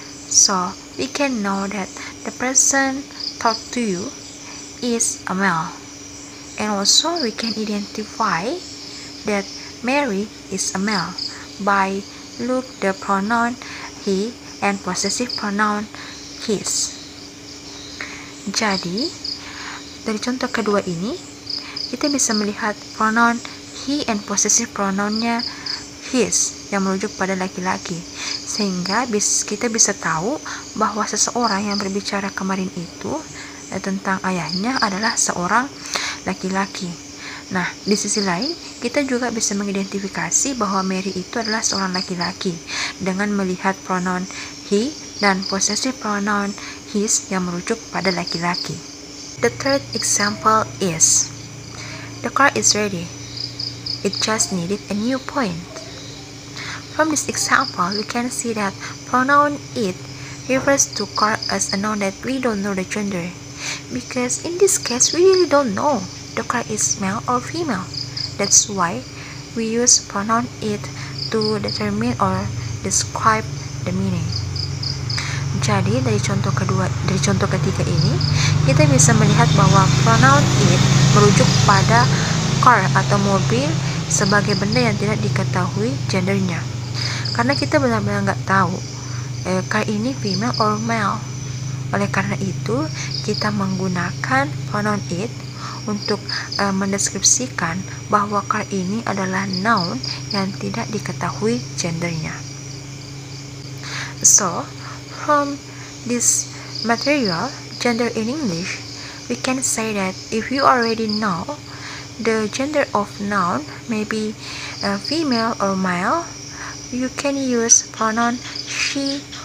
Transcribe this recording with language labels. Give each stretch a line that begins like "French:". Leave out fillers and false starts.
English: So we can know that the person talked to you is a male. And also we can identify that Mary is a male by look the pronoun he and possessive pronoun his.
Indonesian: Jadi, dari contoh kedua ini, kita bisa melihat pronoun he and possessive pronoun-nya his yang merujuk pada laki-laki. Sehingga kita bisa tahu bahwa seseorang yang berbicara kemarin itu tentang ayahnya adalah seorang laki-laki. Nah, di sisi lain, kita juga bisa mengidentifikasi bahwa Mary itu adalah seorang laki-laki dengan melihat pronoun he dan possessive pronoun his yang merujuk pada laki-laki.
English: The third example is, the car is ready. It just needed a new point. From this example, we can see that pronoun it refers to car as a noun that we don't know the gender. Because in this case, we really don't know the car is male or female. That's why we use pronoun it to determine or describe the meaning.
Indonesian: Jadi dari contoh ketiga ini, kita bisa melihat bahwa pronoun it merujuk pada car atau mobil sebagai benda yang tidak diketahui gendernya. Karena kita benar-benar enggak tahu car ini
English: female or male.
Indonesian: Oleh karena itu, kita menggunakan pronoun it untuk mendeskripsikan bahwa car ini adalah noun yang tidak diketahui gendernya.
English: So, from this material, gender in English, we can say that if you already know the gender of noun, maybe female or male, you can use pronoun she